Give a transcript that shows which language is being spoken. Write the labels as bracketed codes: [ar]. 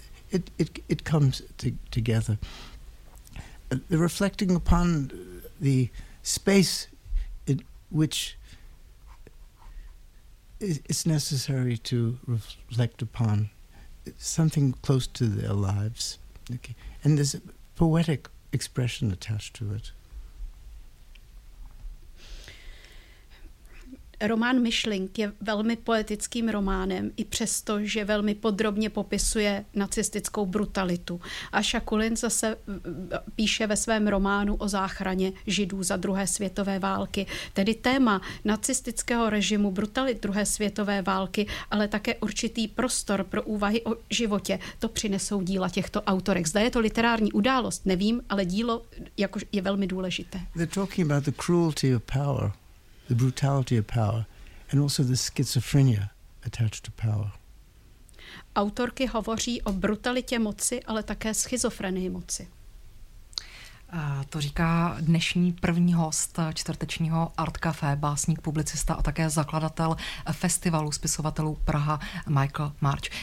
[en] It comes together. They're reflecting upon the space in which it's necessary to reflect upon something close to their lives. Okay. And there's a poetic expression attached to it. [cs] Román Myšlink je velmi poetickým románem, i přesto, že velmi podrobně popisuje nacistickou brutalitu. Ayşe Kulin zase píše ve svém románu o záchraně Židů za druhé světové války. Tedy téma nacistického režimu, brutalit druhé světové války, ale také určitý prostor pro úvahy o životě, to přinesou díla těchto autorek. Zda je to literární událost, nevím, ale dílo je velmi důležité. [en] They're talking about the cruelty of power. The brutality of power, and also the schizophrenia attached to power. [cs] Autorky hovoří o brutalitě moci, ale také schizofrenii moci. To říká dnešní první host čtvrtečního Art Café, básník, publicista a také zakladatel festivalu spisovatelů Praha Michael March.